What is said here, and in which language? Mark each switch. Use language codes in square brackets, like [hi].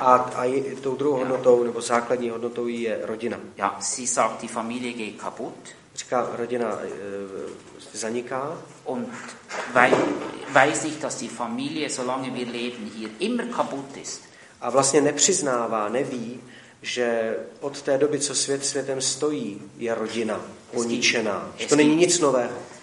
[cs] A tou druhou hodnotou, nebo základní hodnotou je rodina. [de] Ja, sie sagt, die Familie geht kaputt. [cs] Říká, rodina zaniká. [de] Und weiß ich, dass die Familie, solange wir leben hier, immer kaputt ist. [cs] A vlastně nepřiznává, neví, že od té doby, co světem stojí, je rodina poničená. To není nic nového.